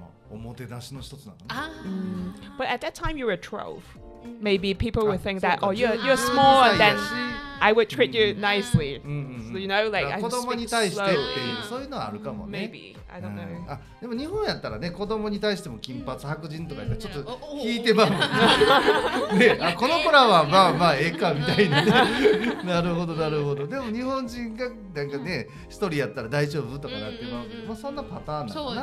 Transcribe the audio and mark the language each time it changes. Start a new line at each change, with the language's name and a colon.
Japanese: おもてなしの一つなの、ね。
English: But at that time you were 12. Maybe people would think that, oh, you're smaller than I would treat you nicely. So, you know, like, I'm speaking slowly.
Japanese: 子供に対してっていう、そういうのはあるかもね。
English: Maybe. I don't know.
Japanese: あ、でも日本やったらね、子供に対しても金髪、白人とかちょっと引いてばもね。あ、この子らはまあまあええかみたいな。なるほど、なるほど。でも日本人がなんかね、一人やったら大丈夫とかなって、まあそんなパターンなのかな。